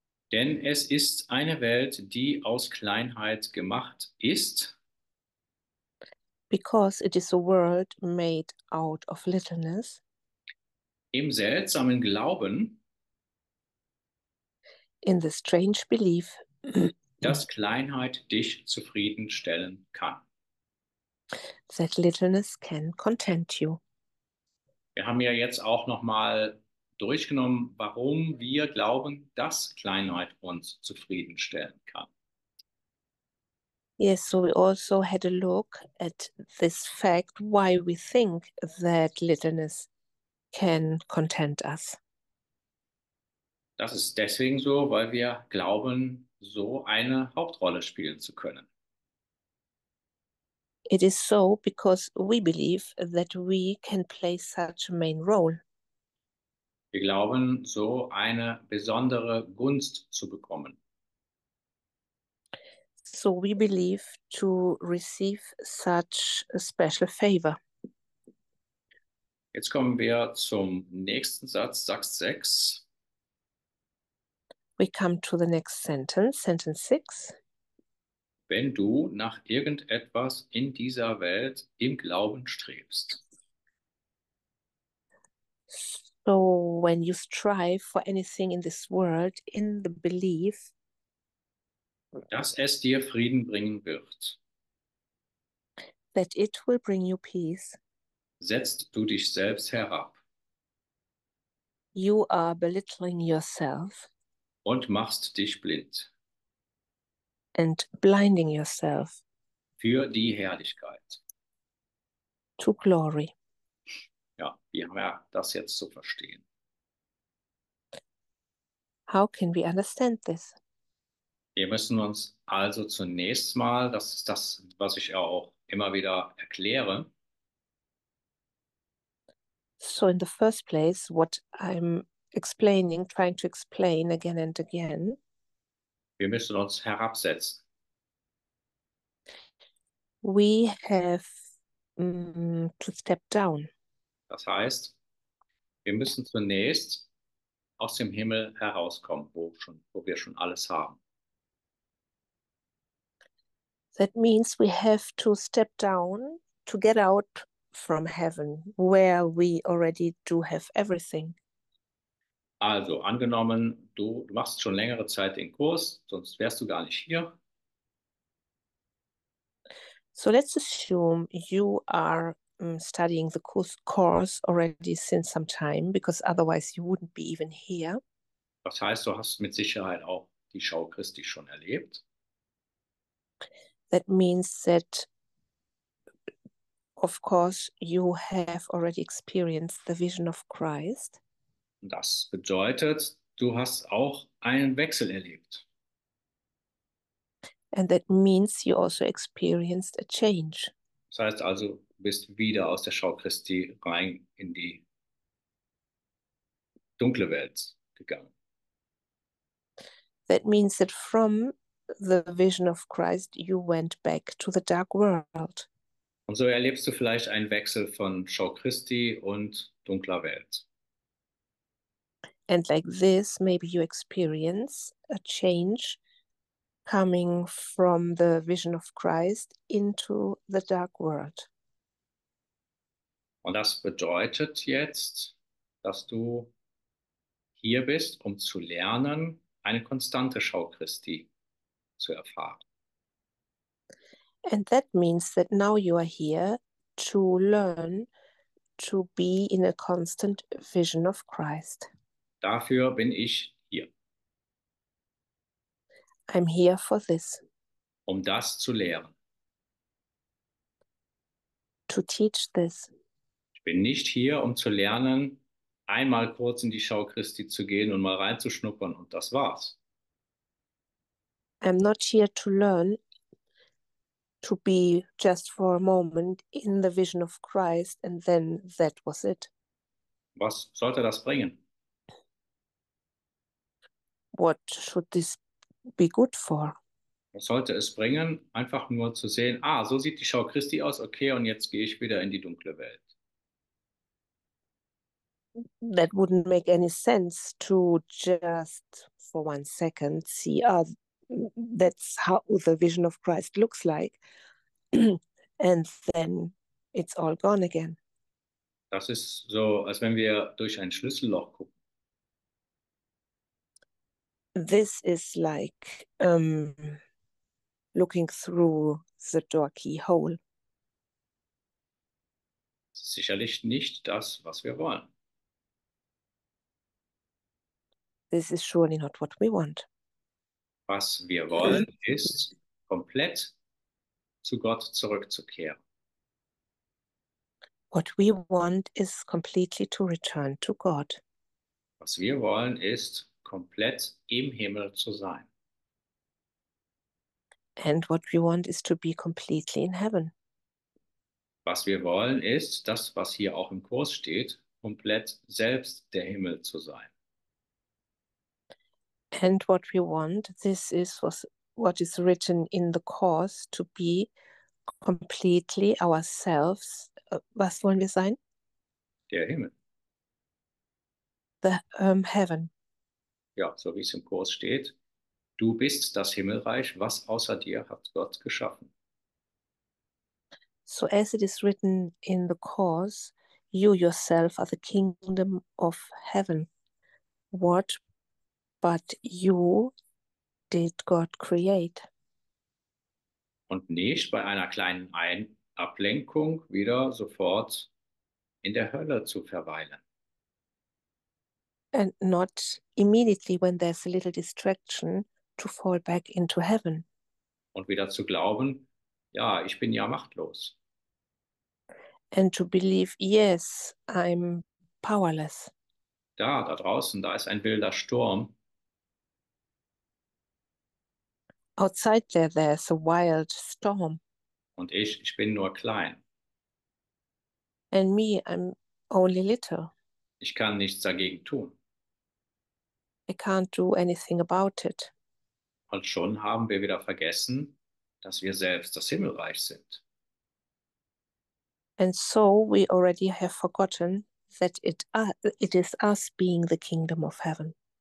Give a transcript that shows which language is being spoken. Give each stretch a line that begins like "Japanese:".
German: Denn es ist eine Welt, die aus Kleinheit gemacht ist.
English: Because it is a world made out of littleness.
German: Im seltsamen Glauben.
English: In the strange belief.
German: Dass Kleinheit dich zufriedenstellen kann.
English: That littleness can content you.
German: Wir haben ja jetzt auch nochmal durchgenommen, warum wir glauben, dass Kleinheit uns zufriedenstellen kann.
English: Yes, so we also had a look at this fact, why we think that littleness can content us.
German: Das ist deswegen so, weil wir glauben, so eine Hauptrolle spielen zu können.
English: It is so because we believe that we can play such a main role.
German: Wir glauben, so eine besondere Gunst zu bekommen.
English: So we believe to receive such a special favor.
German: Jetzt kommen wir zum nächsten Satz, Satz 6.
English: We come to the next sentence, sentence 6.
German: Wenn du nach irgendetwas in dieser Welt im Glauben strebst.
English: So when you strive for anything in this world in the belief,
German: dass es dir Frieden bringen wird,
English: that it will bring you peace,
German: setzt du dich selbst herab,
English: you are belittling yourself,
German: und machst dich blind,
English: and blinding yourself,
German: für die Herrlichkeit,
English: to glory.
German: Ja, wie haben wir das jetzt zu verstehen?
English: How can we understand this?
German: Wir müssen uns also zunächst mal, das ist das, was ich auch immer wieder erkläre.
English: So in the first place, what I'm explaining, trying to explain again and again.
German: Wir müssen uns herabsetzen.
English: We have to step down.
German: Das heißt, wir müssen zunächst aus dem Himmel herauskommen, wo wir schon alles haben.
English: That means we have to step down to get out from heaven, where we already do have everything.
German: Also, angenommen, du machst schon längere Zeit den Kurs, sonst wärst du gar nicht hier.
English: So let's assume you are studying the course already since some time, because otherwise you wouldn't be even here.
German: Das heißt, du hast mit Sicherheit auch die Schau Christi schon erlebt.
English: That means that, of course, you have already experienced the vision of Christ.
German: Das bedeutet, du hast auch einen Wechsel erlebt.
English: And that means you also experienced a change.
German: Das heißt also, du bist wieder aus der Schau Christi rein in die dunkle Welt gegangen.
English: That means that from the vision of Christ, you went back to the dark world.
German: Und so erlebst du vielleicht einen Wechsel von Schau Christi und dunkler Welt.
English: And like this, maybe you experience a change coming from the vision of Christ into the dark world.
German: Und das bedeutet jetzt, dass du hier bist, um zu lernen, eine konstante Schau Christi zu erfahren.
English: And that means that now you are here to learn to be in a constant vision of Christ.
German: Dafür bin ich hier.
English: I'm here for this.
German: Um das zu lehren.
English: To teach this.
German: Ich bin nicht hier, um zu lernen, einmal kurz in die Schau Christi zu gehen und mal reinzuschnuppern und das war's.
English: I'm not here to learn to be just for a moment in the vision of Christ and then that was it.
German: Was sollte das bringen?
English: What should this be good for?
German: Was sollte es bringen, einfach nur zu sehen, ah, so sieht die Schau Christi aus, okay, und jetzt gehe ich wieder in die dunkle Welt.
English: That wouldn't make any sense to just for one second see, ah, that's how the vision of Christ looks like, and then it's all gone again.
German: Das ist so, als wenn wir durch ein Schlüsselloch gucken.
English: This is like looking through the door keyhole.
German: Sicherlich nicht das, was wir wollen.
English: This is surely not what we want.
German: Was wir wollen, ist, komplett zu Gott zurückzukehren.
English: What we want is completely to return to God.
German: Was wir wollen, ist, komplett im Himmel zu sein.
English: And what we want is to be completely in heaven.
German: Was wir wollen, ist, das, was hier auch im Kurs steht, komplett selbst der Himmel zu sein.
English: And what we want, this is what is written in the course, to be completely ourselves.
German: Was wollen wir sein? Der Himmel.
English: The heaven.
German: Ja, so wie es im Kurs steht. Du bist das Himmelreich, was außer dir hat Gott geschaffen.
English: So as it is written in the course, you yourself are the kingdom of heaven. What but you did God create?
German: Und nicht bei einer kleinen Ablenkung wieder sofort in der Hölle zu verweilen.
English: And not immediately when there's a little distraction to fall back into heaven.
German: Und wieder zu glauben, ja, ich bin ja machtlos.
English: And to believe, yes, I'm powerless.
German: Da draußen, da ist ein wilder Sturm.
English: Outside there, there's a wild storm.
German: Und ich bin nur klein.
English: And me, I'm only little.
German: Ich kann nichts dagegen tun.
English: I can't do anything about it.
German: Und schon haben wir wieder vergessen, dass wir selbst das Himmelreich sind.
English: And so we already have forgotten that it is us being the kingdom of heaven.